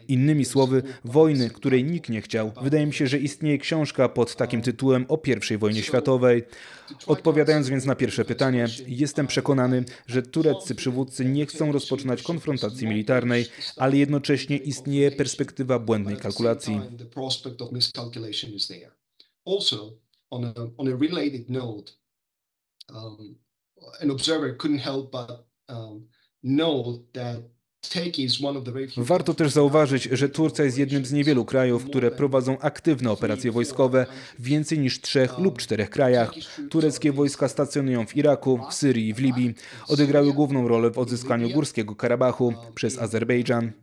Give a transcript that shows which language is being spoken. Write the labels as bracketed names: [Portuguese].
[Polish] Innymi słowy, wojny, której nikt nie chciał. Wydaje mi się, że istnieje książka pod takim tytułem o I wojnie światowej. Odpowiadając więc na pierwsze pytanie, jestem przekonany, że tureccy przywódcy nie chcą rozpoczynać konfrontacji militarnej, ale jednocześnie istnieje perspektywa błędnej kalkulacji. [English] Miscalculation is there. Also, on a related note, an observer couldn't help but know that. [Polish] Warto też zauważyć, że Turcja jest jednym z niewielu krajów, które prowadzą aktywne operacje wojskowe w więcej niż trzech lub czterech krajach. Tureckie wojska stacjonują w Iraku, w Syrii i w Libii. Odegrały główną rolę w odzyskaniu Górskiego Karabachu przez Azerbejdżan.